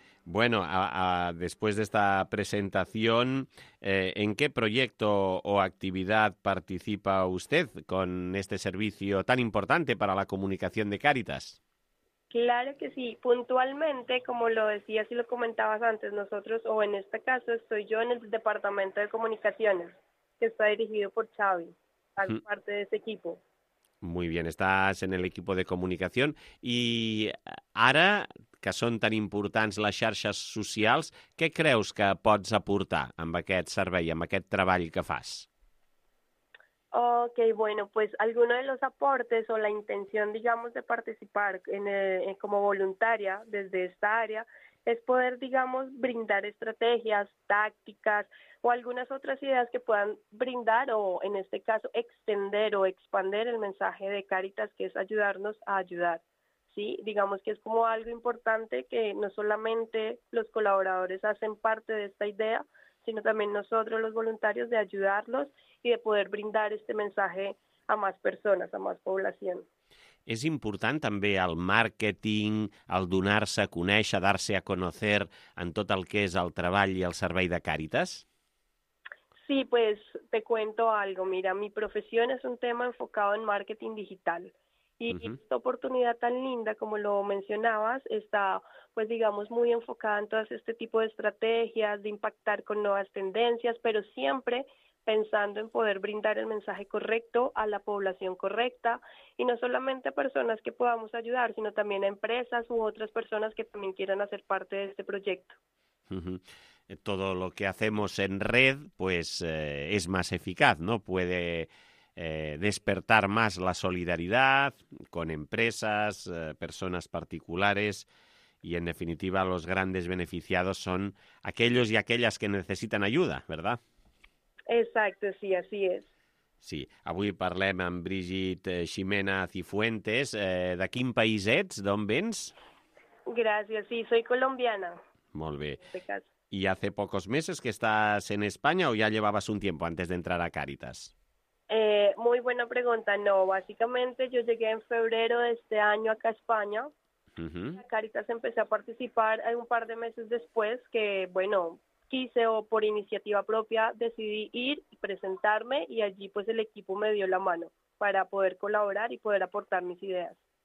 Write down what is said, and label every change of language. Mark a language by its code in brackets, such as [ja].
[es] Bueno, después de esta presentación, ¿en qué proyecto o actividad participa usted con este servicio tan importante para la comunicación de Cáritas? Claro que sí. Puntualmente, como lo decías y lo comentabas antes, nosotros, o en este caso, estoy yo en el Departamento de Comunicaciones, que está dirigido por Xavi. Parte de ese equipo. Muy bien, estás en el equipo de comunicación. Y ahora, que son tan importantes las [ca] xarxes socials, [es] ¿qué crees que [ca] pots aportar amb aquest servei, amb aquest treball que fas? [es] Ok, bueno, pues alguno de los aportes o la intención, digamos, de participar como voluntaria desde esta área es poder, digamos, brindar estrategias, tácticas o algunas otras ideas que puedan brindar o, en este caso, extender o expandir el mensaje de Cáritas, que es ayudarnos a ayudar. ¿sí? Digamos que es como algo importante que no solamente los colaboradores hacen parte de esta idea, sino también nosotros los voluntarios de ayudarlos y de poder brindar este mensaje a más personas, a más población. [ca] És important també el màrqueting, el donar-se a conèixer, [es] dar-se a conocer [ca] en tot el que és el treball i el servei de Càritas? [es] Sí, pues te cuento algo. Mira, mi profesión es un tema enfocado en marketing digital. Y esta oportunidad tan linda, como lo mencionabas, está, pues digamos, muy enfocada en todo este tipo de estrategias, de impactar con nuevas tendencias, pero siempre pensando en poder brindar el mensaje correcto a la población correcta, y no solamente a personas que podamos ayudar, sino también a empresas u otras personas que también quieran hacer parte de este proyecto. Todo lo que hacemos en red, pues es más eficaz, ¿no? Puede despertar más la solidaridad con empresas, personas particulares, y en definitiva los grandes beneficiados son aquellos y aquellas que necesitan ayuda, ¿verdad? [ca] Exacte, [es] sí, así es. [ca] Sí, avui parlem amb Brígid Ximena Cifuentes. De quin país ets? D'on vens? Gràcies, [es] sí, soy colombiana. [ca] Molt bé. [es] ¿Y hace pocos meses que estás en España o ya llevabas un tiempo antes de entrar a Cáritas? Muy buena pregunta. No, básicamente yo llegué en febrero de este año acá a España. A Cáritas empecé a participar un par de meses después que, bueno, quise o por iniciativa propia decidí ir y presentarme, y allí pues el equipo me dio la mano para poder colaborar y poder aportar mis ideas.